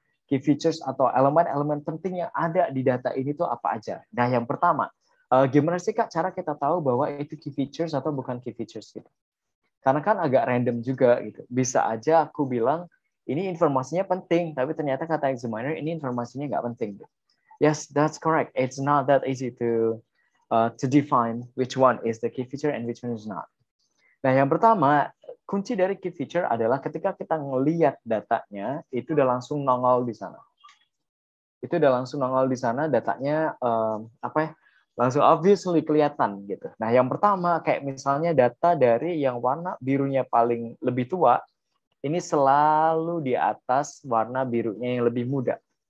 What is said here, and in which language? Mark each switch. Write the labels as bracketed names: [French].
[Indonesian] Key features atau elemen-elemen penting yang ada di data ini tuh apa aja. Nah, yang pertama, gimana sih Kak cara kita tahu bahwa itu key features atau bukan key features gitu? Karena kan agak random juga gitu. Bisa aja aku bilang ini informasinya penting, tapi ternyata kata examiner ini informasinya nggak penting. [English] Yes, that's correct. It's not that easy to define which one is the key feature and which one is not. [Indonesian] Nah, yang pertama, kunci dari key feature adalah ketika kita ngelihat datanya, itu udah langsung nongol di sana. Itu udah langsung nongol di sana, datanya apa ya? Langsung obviously kelihatan gitu. Nah, yang pertama kayak misalnya data dari yang warna birunya paling lebih tua, ini selalu di atas warna birunya yang lebih muda.